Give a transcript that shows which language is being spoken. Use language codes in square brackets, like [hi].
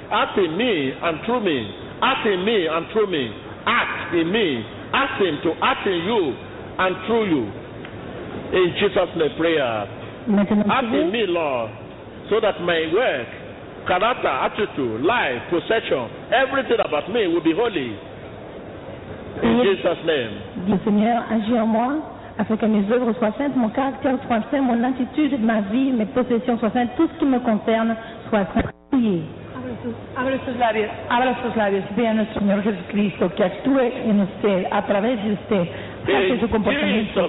[en] Act in me and through me. Act in me and through me. Act in me. Ask him to act in you and through you. In Jesus' name, prayer. Act in me, Lord, so that my work, character, attitude, life, perception, everything about me will be holy. In Jesus' name. [fr] Dieu Seigneur, agis en moi, afin que mes œuvres soient saintes, mon caractère soit saint, mon attitude, ma vie, mes possessions soient saintes, tout ce qui me concerne soit saint. Priez. [es] Abre sus labios, ve a nuestro Señor Jesucristo que actúe en usted, a través de usted, hace su comportamiento.